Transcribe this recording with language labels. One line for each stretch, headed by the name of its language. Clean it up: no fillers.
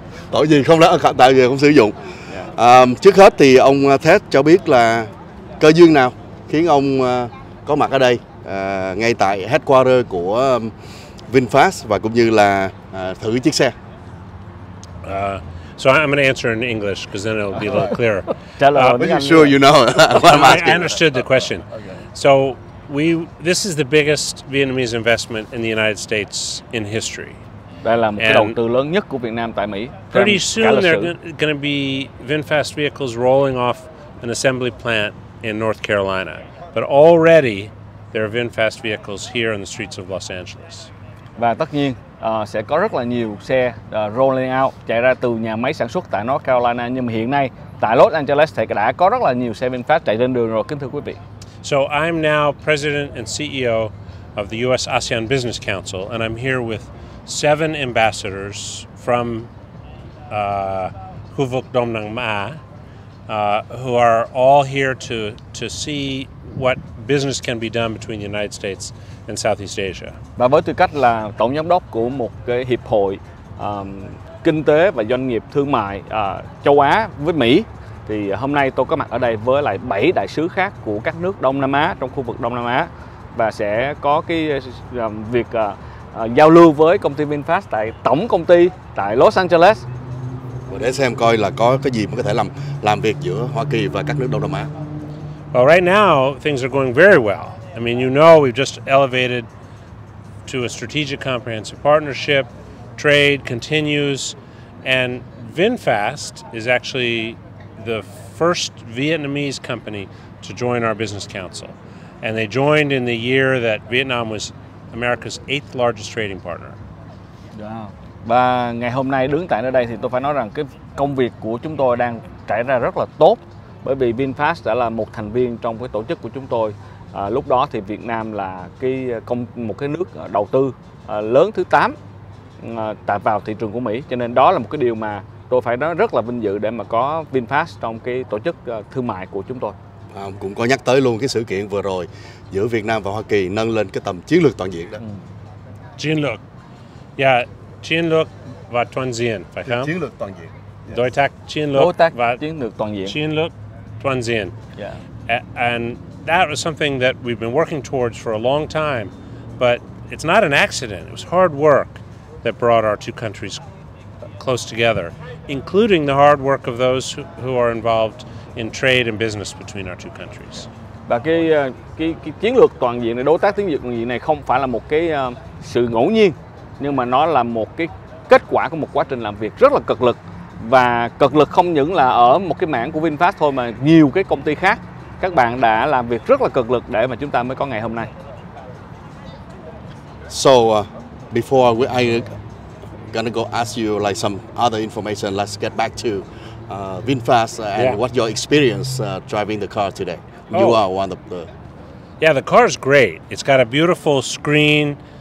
Vietnamese: Tội gì không đó, tại vì không sử dụng. Trước hết thì ông Ted cho biết là cơ duyên nào khiến ông có mặt ở đây, ngay tại headquarters của VinFast và cũng như là thử chiếc xe.
English: So I'm going to answer in English because then it'll be a little clearer. Tell her. Are you sure you know what I'm asking? I understood the question. So this is the biggest Vietnamese investment in the United States in history.
Vietnamese: Đây là một cái đầu tư lớn nhất của Việt Nam tại Mỹ.
English: Pretty soon there are going to be VinFast vehicles rolling off an assembly plant in North Carolina. But already there are VinFast vehicles here in the streets of Los Angeles.
Vietnamese: Và tất nhiên sẽ có rất là nhiều xe
English: rolling out
Vietnamese: chạy ra từ nhà máy sản xuất tại North Carolina, nhưng mà hiện nay tại Los Angeles thì đã có rất là nhiều xe VinFast chạy trên đường rồi, kính thưa quý vị.
English: So I'm now president and CEO of the US ASEAN Business Council, and I'm here with 7 ambassadors from
Vietnamese: khu vực Đông Nam Á,
English: who are all here to see what business can be done between the United States and Southeast Asia.
Vietnamese: Và với tư cách là tổng giám đốc của một cái hiệp hội kinh tế và doanh nghiệp thương mại châu Á với Mỹ, thì hôm nay tôi có mặt ở đây với lại 7 đại sứ khác của các nước Đông Nam Á trong khu vực Đông Nam Á, và sẽ có cái việc giao lưu với công ty VinFast tại tổng công ty tại Los Angeles. Để xem coi là có cái gì mà có thể làm việc giữa Hoa Kỳ và các nước Đông Nam Á.
English: Well, right now things are going very well. I mean, you know, we've just elevated to a strategic comprehensive partnership. Trade continues, and VinFast is actually the first Vietnamese company to join our business council. And they joined in the year that Vietnam was America's 8th largest trading partner. Wow.
Vietnamese: Và ngày hôm nay đứng tại nơi đây thì tôi phải nói rằng cái công việc của chúng tôi đang trải ra rất là tốt, bởi vì VinFast đã là một thành viên trong cái tổ chức của chúng tôi. Lúc đó thì Việt Nam là một cái nước đầu tư lớn thứ 8 tại vào thị trường của Mỹ, cho nên đó là một cái điều mà tôi phải nói rất là vinh dự để mà có VinFast trong cái tổ chức thương mại của chúng tôi. Ông cũng có nhắc tới luôn cái sự kiện vừa rồi giữa Việt Nam và Hoa Kỳ, nâng lên cái tầm chiến lược toàn diện đó. Chiến lược. Yeah, chiến lược và toàn diện, phải không? Chiến lược toàn diện. Yes. Đối tác chiến lược. Đối tác và chiến lược toàn diện. Chiến lược toàn diện.
English: Yeah. And that was something that we've been working towards for a long time, but it's not an accident. It was hard work that brought our two countries close together, including the hard work of those who are involved in trade and business between our two countries.
Vietnamese: Và cái chiến lược toàn diện này, đối tác tiến dụng toàn diện này không phải là một cái sự ngẫu nhiên, nhưng mà nó là một cái kết quả của một quá trình làm việc rất là cực lực. Và cực lực không những là ở một cái mảng của VinFast thôi, mà nhiều cái công ty khác các bạn đã làm việc rất là cực lực để mà chúng ta mới có ngày hôm nay.
English: So before we are gonna go ask you like some other information, let's get back to VinFast and yeah. What's your experience driving the car today? You oh. are one of the Yeah, the car is great. It's got a beautiful screen.